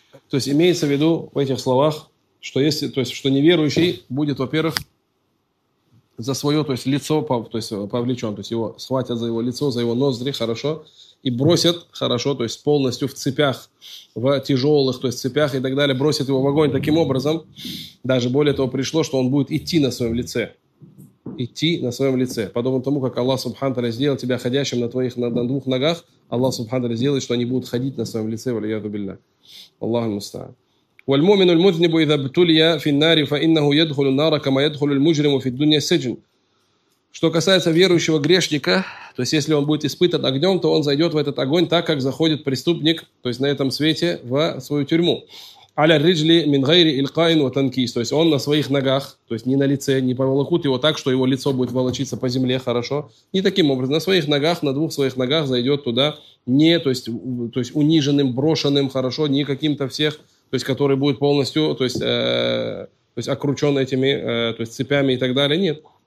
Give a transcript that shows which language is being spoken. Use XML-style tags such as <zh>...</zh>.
<ru>То есть имеется в виду в этих словах, что если, то есть, что неверующий будет, во-первых, за свое, то есть, лицо, то есть, повлечен, то есть, его схватят за его лицо, за его ноздри, хорошо, и бросят, хорошо, то есть, полностью в цепях, в тяжелых, то есть, цепях и так далее, бросят его в огонь таким образом. Даже более того пришло, что он будет идти на своем лице, идти на своем лице. Подобно тому, как Аллах Субхану Тааля сделал тебя ходящим на твоих, на двух ногах, Аллах Субхану Тааля сделает, что они будут ходить на своем лице,</ru> <ar>валиязу биллях. Аллаху мустаан. والمؤمن المذنب إذا ابتلي في النار فإنه يدخل النار كما يدخل المجرم في الدنيا سجن.</ar> <ru>Что касается верующего грешника, то есть если он будет испытан огнем, то он зайдет в этот огонь так, как заходит преступник, то есть на этом свете, в свою тюрьму.</ru> <ar>على الرجل من غير إلقاء وتنكيس.</ar> <ru>То есть он на своих ногах, то есть не на лице, не поволокут его так, что его лицо будет волочиться по земле, хорошо. Не таким образом. На своих ногах, на двух своих ногах зайдет туда, не, то есть униженным, брошенным, хорошо, не каким-то всех, то есть который будет полностью, то есть окручен этими, то есть цепями и так далее, нет.</ru>